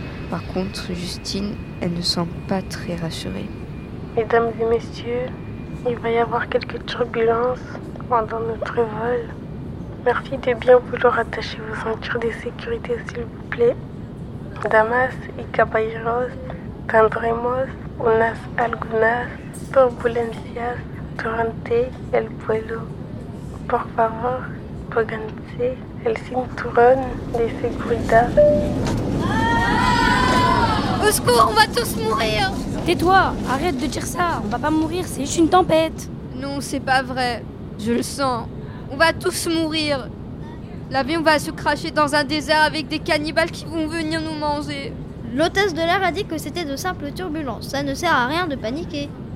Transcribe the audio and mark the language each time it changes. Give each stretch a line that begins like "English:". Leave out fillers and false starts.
French: Par contre, Justine, elle ne semble pas très rassurée. Mesdames et messieurs, il va y avoir quelques turbulences pendant notre vol. Merci de bien vouloir attacher vos ceintures de sécurité, s'il vous plaît.
Spanish: Damas y caballeros, tendremos unas algunas turbulencias durante el vuelo. Por favor, pónganse el cinturón de seguridad.
French: Au secours, on va tous mourir! Tais-toi, arrête de dire ça, on va pas mourir, c'est juste une tempête! Non, c'est pas vrai, je le sens. On va tous mourir! L'avion va se crasher dans un désert avec des cannibales qui vont venir nous manger! L'hôtesse de l'air a dit que c'était de simples turbulences, ça ne sert à rien de paniquer.